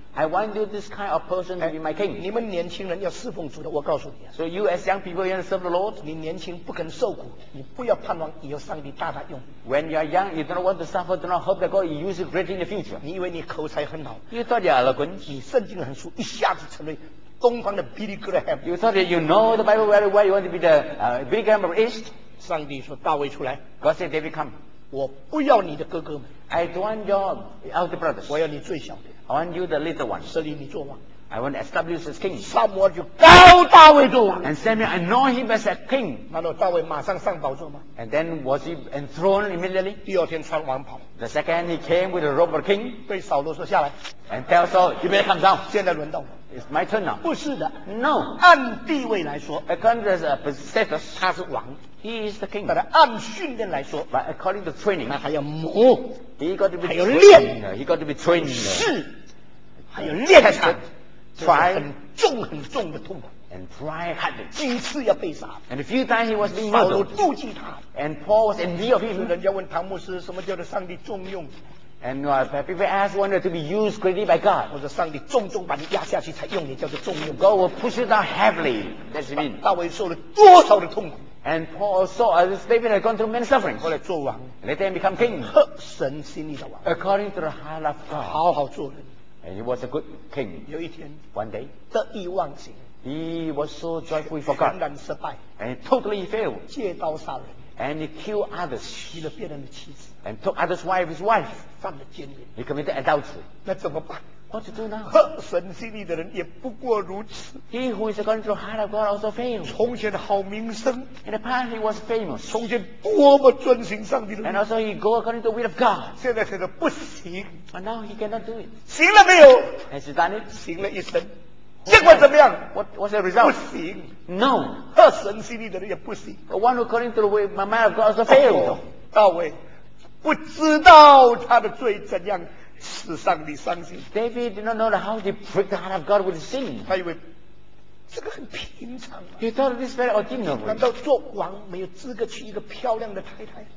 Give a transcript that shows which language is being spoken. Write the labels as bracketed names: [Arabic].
[English] I want you this kind of person to be my king. [Chinese] 你们年轻人要侍奉主的，我告诉你。 [English] So you as young people, you want to serve the Lord? [Chinese] 你年轻不肯受苦，你不要盼望以后上帝大大用。 [English] When you are young, you do not want to suffer, do not hope that God will use you greatly in the future. [Chinese] 你以为你口才很好 [English] ？You thought you are eloquent. [Chinese] 你圣经很熟，一下子成为。东方的 Billy Graham. [English] You thought that you know the Bible very well. You want to be the Billy Graham of East. [Chinese] 上帝说大卫出来。 [English] God said David come. [Chinese] 我不要你的哥哥们。 [English] I don't want your elder brothers. [Chinese] 我要你最小的。 [English] I want you the little one. [Chinese] 设立你做王。 [English] I want to establish as king. [Chinese] 撒母耳就高大卫做王。 [English] And Samuel anoint him as a king. [Chinese] 难道大卫马上上宝座吗 [English] ？And then was he enthroned immediately? [Chinese] 第二天穿王袍。 [English] The second he came with a robe of king. [Chinese] 对扫罗说下来。 [English] And tell Saul you better come down. [Chinese] 现在轮到我。 [English] It's my turn now. [Chinese] 不是的 [English] ，No. [Chinese] 按地位来说 [English] ，According to the status, [Chinese] 他是王 [English] ，He is the king. [Chinese] 但是按训练来说 [English] ，But according to training, [Chinese] 那还要磨 [English] ，He got to be [Chinese] 还要练 [English] ，He got to be trained. [Chinese] 是，还要练他 [English] ，Try [Chinese] 很重很重的痛苦 [English] ，And try hard. [Chinese] 几次要被杀 [English] ，And a few times he was being murdered. [Chinese] 扫罗妒忌他 [English] ，And Paul was in fear of him. [Chinese] 人家问唐牧师，什么叫做上帝重用？ [English] And people ask wanted to be used greatly by God. [Chinese] 或者上帝重重把你压下去才用你，叫做重用。 [English] God will push you down heavily. That's what it means. [Chinese] 大卫受了多少的痛苦 [English] ？And Paul saw as David had gone through many sufferings. [Chinese] 后来做王 [English] ，Let him become king. [Chinese] 合神心意的王 [English] ，According to the heart of God. [Chinese] 好好做人。 [English] And he was a good king. [Chinese] 有一天 [English] ，One day， [Chinese] 得意忘形。 [English] He was so joyful for God. [Chinese] 全然失败。 [English] And he totally failed. [Chinese] 借刀杀人。 [English] And he killed others. [Chinese] 娶了别人的妻子。 [English] And took others' wife, his wife. [Chinese] 犯了奸淫。 [English] He committed adultery. [Chinese] 那怎么办 [English] ？What to do now? [Chinese] 合神心意的人也不过如此。 [English] He who is according to the heart of God also failed. [Chinese] 从前好名声。 [English] In the past he was famous. [Chinese] 从前多么遵行上帝的。 [English] And also he go according to the will of God. [Chinese] 现在觉得不行。 [English] But now he cannot do it. [Chinese] 行了没有 [English] ？Has he done it? [Chinese] 行了一生。结果怎么样 [English] ？What's the result？ [Chinese] 不行 [English] ，No， [Chinese] 合神心意的人也不行。 [English] The one according to the way my mind of God also failed。 [Chinese] 大卫不知道他的罪怎样使上帝伤心。 [English] David did not know how to break the heart of God with sin。 [Chinese] 他以为这个很平常。 [English] He thought this very ordinary。 [Chinese] 难道做王没有资格娶一个漂亮的太太